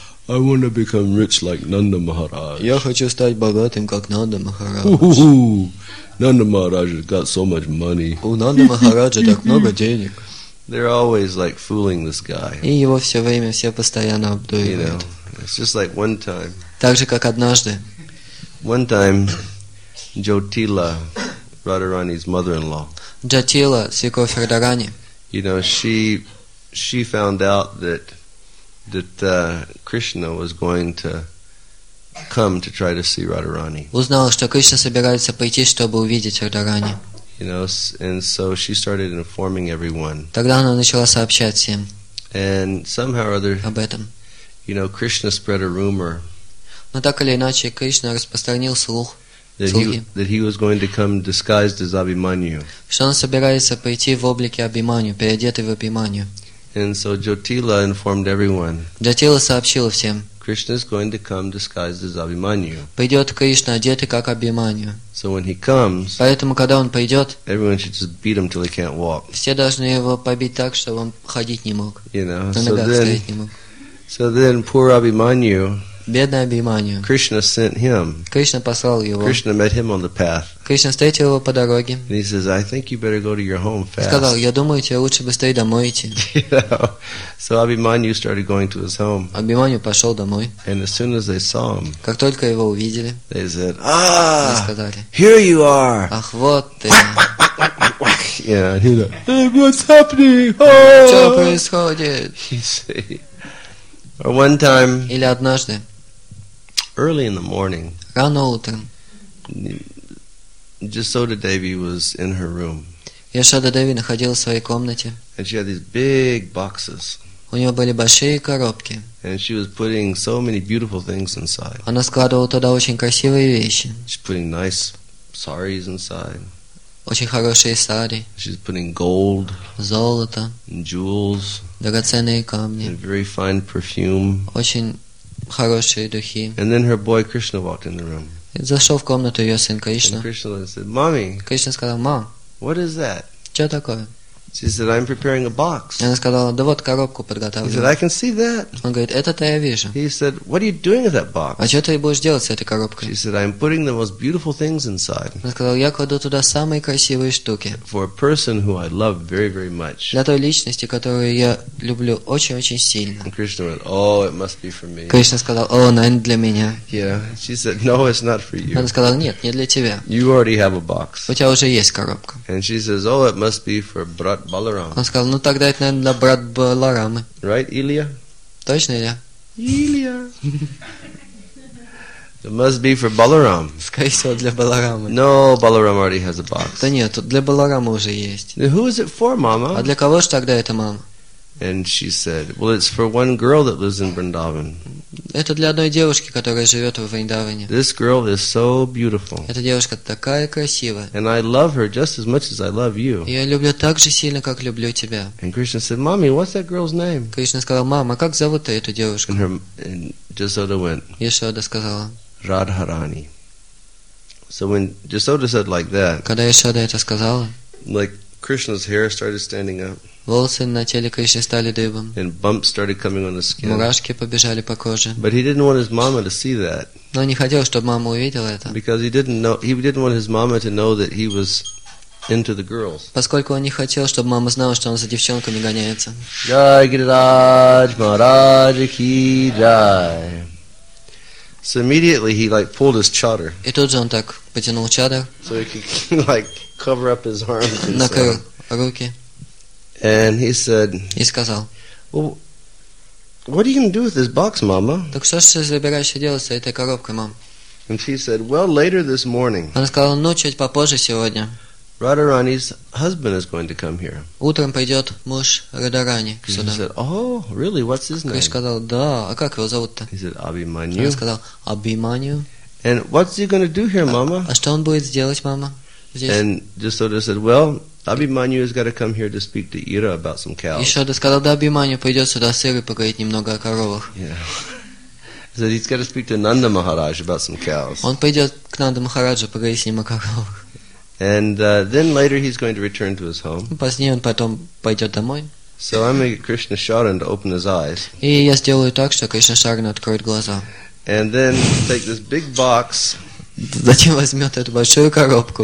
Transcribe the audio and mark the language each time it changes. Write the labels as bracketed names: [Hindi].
[English] I want to become rich like Nanda Maharaj. [Russian] Я хочу стать богатым, как Нанда Махарадж. [English] Nanda Maharaj has got so much money. [Russian] У Нанда Махараджа так много денег. [English] They're always like fooling this guy. [Russian] И его все время все постоянно обдуривают. [English] You know, it's just like one time. [Russian] Так же, как однажды. [English] One time, Jyotila, Radharani's mother-in-law. [Russian] Jyotila, свекровь Радхарани. [English] You know, she found out that Krishna was going to come to try to see Radharani. [Russian] Узнала, что Кришна собирается пойти, чтобы увидеть Радхарани. [English] You know, and so she started informing everyone. [Russian] Тогда она начала сообщать всем. [English] And somehow or other, [Russian] об этом. [English] You know, Krishna spread a rumor. [Russian] Но так или иначе Кришна распространил слух. [English] That he was going to come disguised as Abhimanyu. [Russian] Что он собирается пойти в облике Абиманию, переодетый в Абиманию. [English] And so Jyotila informed everyone. [Russian] Jyotila сообщила всем. [English] Krishna is going to come disguised as Abhimanyu. [Russian] Пойдет Кришна одетый как Абиманию. [English] So when he comes. [Russian] Поэтому когда он пойдет. [English] Everyone should just beat him till he can't walk. [Russian] Все должны его побить так, чтобы он ходить не мог. [English] You know. [Russian] На ногах стоять не мог. [English] So then poor Abhimanyu. [Russian] Бедный Абхиманию. [English] Krishna sent him. [Russian] Кришна послал его. [English] Krishna met him on the path. [Russian] Кришна встретил его по дороге. [English] And he says, "I think you better go to your home fast." [Russian] Сказал, я думаю, тебе лучше быстрее домой идти. [English] So Abhimanyu started going to his home. [Russian] Абхиманию пошел домой. [English] And as soon as they saw him, [Russian] как только его увидели, [English] they said, [Russian] сказали, [English] "Here you are." [Russian] Ах, вот ты. [English] Yeah, he like, "What's happening? Oh! [Russian] Что происходит?" [English] Or one time, [Russian] или однажды, [English] early in the morning, [Russian] рано утром, [English] Yashoda Devi was in her room. [Russian] Yashoda Devi находилась в своей комнате. [English] And she had these big boxes. [Russian] У нее были большие коробки. [English] And she was putting so many beautiful things inside. [Russian] Она складывала туда очень красивые вещи. [English] She's putting nice saris inside. [Russian] Очень хорошие сари. [English] She's putting gold. [Russian] Золото. [English] And jewels. [Russian] Драгоценные камни. [English] And very fine perfume. [Russian] Очень хорошие духи. [English] And then her boy Krishna walked in the room. [Russian] Зашел в комнату ее сын Кришна. [English] And Krishna said, "Mommy." [Russian] Кришна сказал, "Мам." [English] "What is that?" [Russian] Что такое? [English] She said, "I'm preparing a box." [Russian] Она сказала, "Да вот коробку подготавливаю." [English] He said, "I can see that." [Russian] Он говорит, "Это-то я вижу." [English] He said, "What are you doing with that box?" [Russian] А что ты будешь делать с этой коробкой? [English] She said, "I'm putting the most beautiful things inside." [Russian] Она сказала, "Я кладу туда самые красивые штуки." [English] For a person who I love very, very much. [Russian] Для той личности, которую я люблю очень-очень сильно. [English] And Krishna went, "Oh, it must be for me." [Russian] Кришна сказал, "О, наверное, для меня." [English] Yeah. She said, "No, it's not for you." [Russian] Она сказала, "Нет, не для тебя." [English] You already have a box. [Russian] У тебя уже есть коробка. [English] And she says, "Oh, it must be for Brat Balaram." [Russian] Он сказал, ну тогда это, наверное, для брат Баларамы. [English] Right, Илья? [Russian] Точно, Илья? Илья. [English] It must be for Balaram. [Russian] Скорее всего, для Баларамы. [English] No, Balaram already has a box. [Russian] Да нет, тут для Баларамы уже есть. [English] Who is it for, mama? [Russian] А для кого же тогда это, мама? [English] And she said, "Well, it's for one girl that lives in Vrindavan." [Russian] Это для одной девушки, которая живет в Вриндаване. [English] This girl is so beautiful. [Russian] Эта девушка такая красивая. [English] And I love her just as much as I love you. [Russian] Я люблю так же сильно, как люблю тебя. [English] And Krishna said, "Mommy, what's that girl's name?" [Russian] Кришна сказал, "Мама, как зовут эту девушку?" [English] And Yashoda went. [Russian] Yashoda сказала. [English] Radharani. So when Yashoda said like that. [Russian] Когда Yashoda это сказала. [English] Like Krishna's hair started standing up. [Russian] Волосы на теле Кришны стали дыбом. [English] And bumps started coming on the skin. [Russian] Мурашки побежали по коже. [English] But he didn't want his mama to see that. [Russian] Но не хотел, чтобы мама увидела это. [English] Because he didn't want his mama to know that he was into the girls. [Russian] Поскольку он не хотел, чтобы мама знала, что он за девчонками гоняется. [Hindi] Jai Giriraj Maharaj ki jai. [English] So immediately he like pulled his chadar. [Russian] И тут же он так потянул чадар. [English] So he could like cover up his arms. [Russian] Накрыл руки. [English] And he said. [Russian] И сказал. [English] Well, what are you going to do with this box, mama? [Russian] Так что же ты собираешься делать с этой коробкой, мам? [English] And she said, well, later this morning. [Russian] Она сказала, ну чуть попозже сегодня. [English] Radharani's husband is going to come here. [Russian] Утром придет муж Радарани сюда. [English] He said, oh, really? What's his name? [Russian] Криш сказал, да. А как его зовут-то? [English] He said, Abhimanyu. [Russian] Она сказала, Abhimanyu. [English] And what's he going to do here, mama? [Russian] А что он будет делать, мама? Здесь? [English] And Jasoda said, well, Abhimanyu has got to come here to speak to Ira about some cows. [Russian] Еще она сказала, да, Abhimanyu придет сюда с Ирой поговорить немного о коровах. [English] Yeah. He said, he's got to speak to Nanda Maharaj about some cows. [Russian] Он придет к Нанда Махараджу поговорить с ним о коровах. [English] And then later he's going to return to his home. [Russian] Позднее он потом пойдет домой. [English] So I make Krishna Sharan to open his eyes. [Russian] И я сделаю так, что Кришна Шаран откроет глаза. [English] And then take this big box. [Russian] Затем возьмет эту большую коробку.